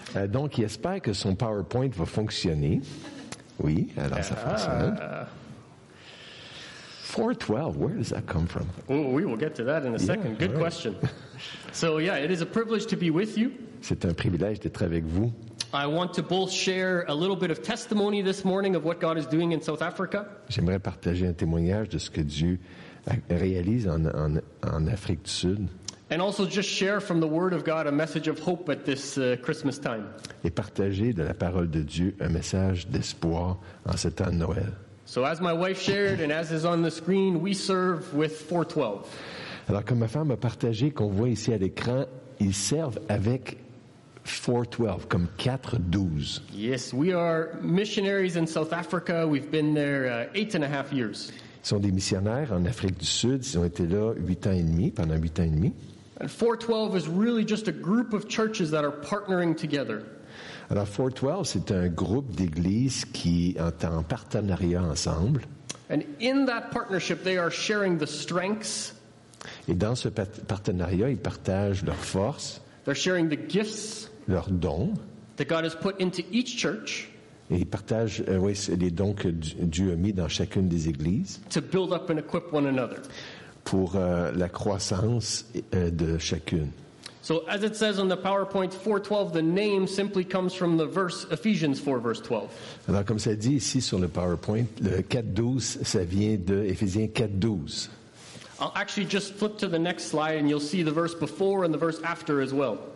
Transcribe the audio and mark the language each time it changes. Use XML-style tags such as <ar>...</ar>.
<fr>Donc, il espère que son PowerPoint va fonctionner. Oui, alors ça fonctionne.</fr> <en>412, where does that come from? Oh, we will get to that in a second. Good question. So, yeah, it is a privilege to be with you.</en> <fr>C'est un privilège d'être avec vous.</fr> <en>I want to both share a little bit of testimony this morning of what God is doing in South Africa.</en> <fr>J'aimerais partager un témoignage de ce que Dieu réalise en Afrique du Sud.</fr> <en>And also just share from the Word of God a message of hope at this Christmas time.</en> <fr>Et partager de la parole de Dieu un message d'espoir en ce temps de Noël.</fr> <en>So as my wife shared and as is on the screen, we serve with 412.</en> <fr>Alors comme ma femme a partagé qu'on voit ici à l'écran, ils servent avec 412, comme 412.</fr> <en>Yes, we are missionaries in South Africa. We've been there 8.5 years.</en> <fr>Ils sont des missionnaires en Afrique du Sud. Ils ont été là 8 ans et demi, pendant 8 ans et demi.</fr> <en>And 412 is really just a group of churches that are partnering together.</en> <fr>Alors 412, c'est un groupe d'églises qui est en partenariat ensemble.</fr> <en>And in that partnership, they are sharing the strengths.</en> <fr>Et dans ce partenariat, ils partagent leurs forces.</fr> <en>They're sharing the gifts,</en> <fr>leurs dons,</fr> <en>that God has put into each church.</en> <fr>Et ils partagent les dons que Dieu a mis dans chacune des églises.</fr> <en>To build up and equip one another.</en> <fr>Pour la croissance de chacune.</fr> <en>So as it says on the PowerPoint 412, the name simply comes from the verse Ephesians 4 verse 12.</en> <fr>Alors comme ça dit ici sur le PowerPoint, le 412, ça vient de Éphésiens 4:12.</fr> <en>I'll actually just flip to the next slide and you'll see the verse before and the verse after as well.</en>